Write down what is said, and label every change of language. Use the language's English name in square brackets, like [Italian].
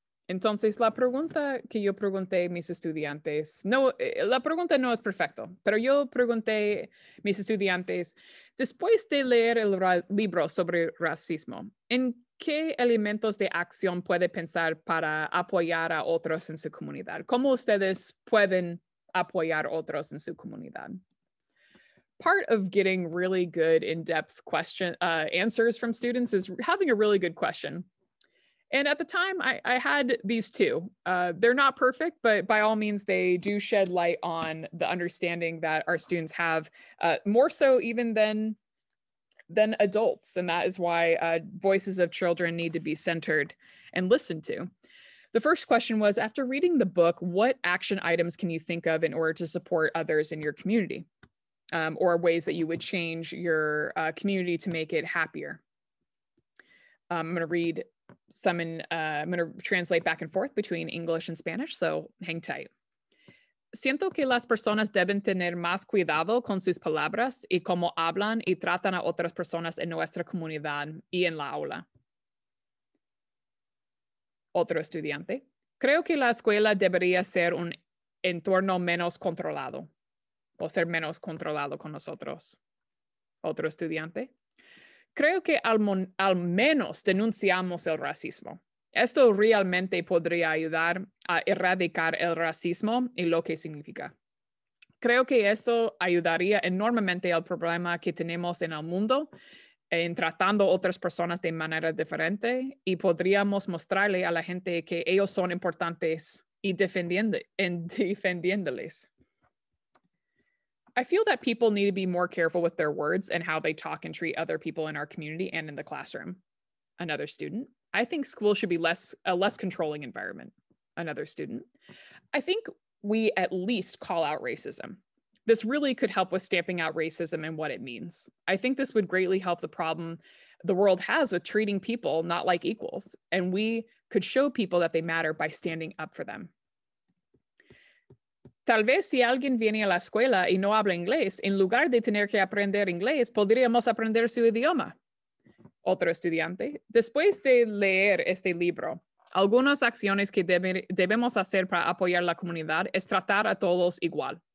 [Spanish] Entonces, la pregunta que yo pregunté a mis estudiantes, no, la pregunta no es perfecta, pero yo pregunté a mis estudiantes, después de leer el libro sobre racismo, ¿en qué elementos de acción puede pensar para apoyar a otros en su comunidad? ¿Cómo ustedes pueden apoyar a otros en su comunidad? [English] Part of getting really good in-depth question answers from students is having a really good question. And at the time, I had these two. They're not perfect, but by all means, they do shed light on the understanding that our students have, more so even than adults. And that is why voices of children need to be centered and listened to. The first question was, after reading the book, what action items can you think of in order to support others in your community? Or ways that you would change your community to make it happier? I'm going to read some in, I'm going to translate back and forth between English and Spanish, so hang tight. [Spanish] Siento que las personas deben tener más cuidado con sus palabras y cómo hablan y tratan a otras personas en nuestra comunidad y en la aula. Otro estudiante. Creo que la escuela debería ser un entorno menos controlado. O ser menos controlado con nosotros. Otro estudiante. Creo que al menos denunciamos el racismo. Esto realmente podría ayudar a erradicar el racismo y lo que significa. Creo que esto ayudaría enormemente al problema que tenemos en el mundo en tratando otras personas de manera diferente y podríamos mostrarle a la gente que ellos son importantes y defendiéndoles. [English] I feel that people need to be more careful with their words and how they talk and treat other people in our community and in the classroom. Another student. I think school should be a less controlling environment. Another student. I think we at least call out racism. This really could help with stamping out racism and what it means. I think this would greatly help the problem the world has with treating people not like equals. And we could show people that they matter by standing up for them. [Spanish] Tal vez si alguien viene a la escuela y no habla inglés, en lugar de tener que aprender inglés, podríamos aprender su idioma. Otro estudiante. Después de leer este libro, algunas acciones que debemos hacer para apoyar la comunidad es tratar a todos igual.